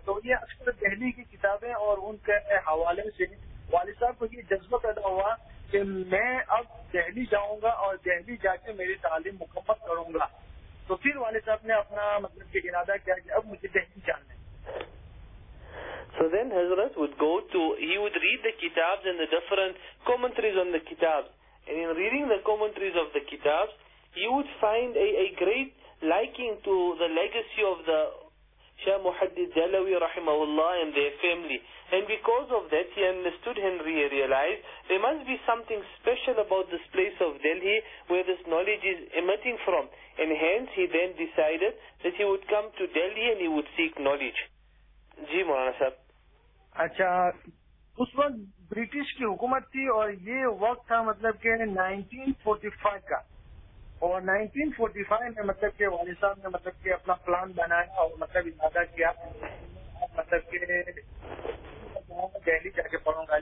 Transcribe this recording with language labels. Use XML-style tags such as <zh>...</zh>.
<ur>تو یہ اکثر دہلی کی کتابیں اور ان کے حوالے سے والد صاحب کو یہ جذبہ پیدا ہوا کہ میں اب دہلی جاؤں گا اور دہلی جا کے میری تعلیم مکمل کروں گا. تو پھر والد صاحب نے اپنا مطلب کہ ارادہ کیا کہ اب مجھے دہلی جانا ہے.</ur> <en>So then Hazrat would go to, he would read the kitabs and the different commentaries on the kitabs. And in reading the commentaries of the kitabs, he would find a great liking to the legacy of the Shah Muhaddith Jalawi rahimahullah and their family. And because of that, he understood and realized there must be something special about this place of Delhi where this knowledge is emitting from. And hence he then decided that he would come to Delhi and he would seek knowledge.</en> <ur>جی مولانا صاحب. اچھا اس وقت British کی حکومت تھی اور یہ وقت تھا مطلب کہ 1945 کا, اور 1945 میں مطلب کہ والد صاحب نے مطلب کہ اپنا پلان بنایا اور مطلب ارادہ کیا مطلب کہ دہلی جا کے پڑھوں گا.</ur>